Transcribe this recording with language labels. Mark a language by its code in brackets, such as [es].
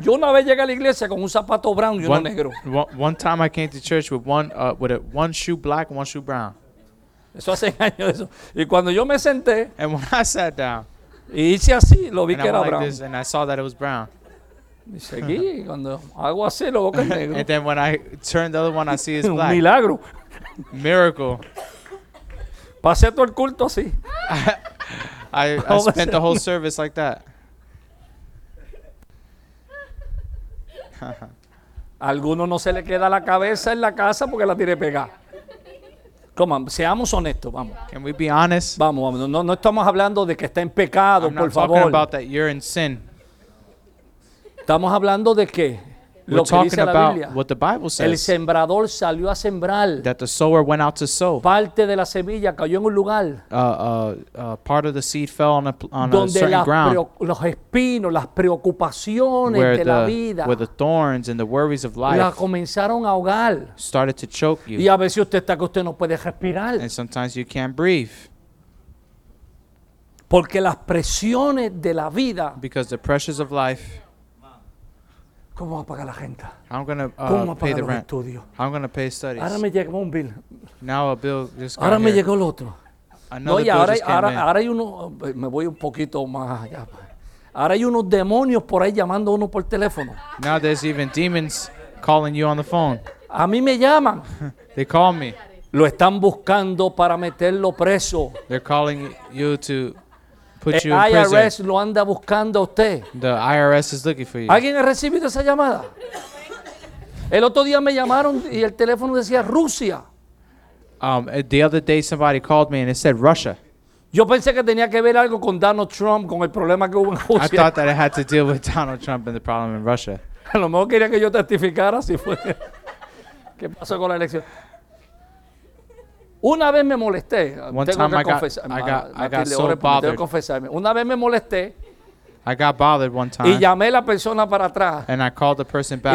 [es] Yo una vez llegué a la iglesia con un zapato brown y uno negro. [en] One time I came to church with one shoe black and one shoe brown. [es] Eso hace años eso. Y cuando yo me senté. [en] And when I sat down. [es] Y hice así, lo vi que era brown. [en] And I went like this and I saw that it was brown. [es] Y seguí cuando hago así lo veo que es negro. [en] And then when I turned the other one I see it's black. [es] Un milagro. [en] Miracle. [es] Pasé todo el culto así. [en] I spent the whole service like that. [es] Algunos no se le queda la cabeza en la casa porque la tiene pegada. Come on, seamos honestos, vamos. [en] Can we be honest? [es] Vamos. No estamos hablando de que está en pecado, [en] I'm [es] por favor. [en] I'm not talking about that you're in sin. [es] Estamos hablando de que [en] we're talking about [es] Biblia, [en] what the Bible says. [es] El sembrador salió a sembrar. [en] That the sower went out to sow. [es] Parte de la semilla cayó en un lugar. [en] Part of the seed fell on a certain ground. [es] Los espinos, las preocupaciones [en] where [es] de la vida. [en] Where the thorns and the worries of life. [es] La comenzaron a ahogar. [en] Started to choke you. [es] Y a veces usted está que usted no puede respirar. [en] And sometimes you can't breathe. [es] Porque las presiones de la vida. [en] Because the pressures of life. [es] ¿Cómo va a pagar la gente? [en] I'm gonna pay the rent. [es] Estudios? [en] I'm gonna pay studies. [es] Ahora me llegó un bill. [en] Now a bill just [es] ahora [en] here. [es] Me llegó el otro. [en] Another [es] no, y ahora, [en] bill just [es] ahora, [en] came [es] ahora [en] in. [es] Ahora hay uno, me voy un poquito más allá. Ahora hay unos demonios por ahí llamando a uno por teléfono. [en] Now there's even demons calling you on the phone. [es] A mí me llaman. [en] They call me. [es] Lo están buscando para meterlo preso. [en] They're calling you to put [es] el [en] you in IRS prison. [es] Lo anda buscando usted. [en] The IRS is looking for you. [es] ¿Alguien ha recibido esa llamada? El otro día me llamaron y el teléfono decía Rusia. [en] The other day somebody called me and it said Russia. [es] Yo pensé que tenía que ver algo con Donald Trump, con el problema que hubo en Rusia. [en] I thought that it had to deal with Donald Trump and the problem in Russia. [es] A lo mejor quería que yo testificara si fue. ¿Qué pasó con la elección? Una vez me molesté. [en] One [es] tengo [en] time [es] que [en] I got so bothered. [es] Tengo que confesarme. Una vez me molesté. [en] I got bothered one time. [es] Y llamé a la persona para atrás. [en] And I called the person back.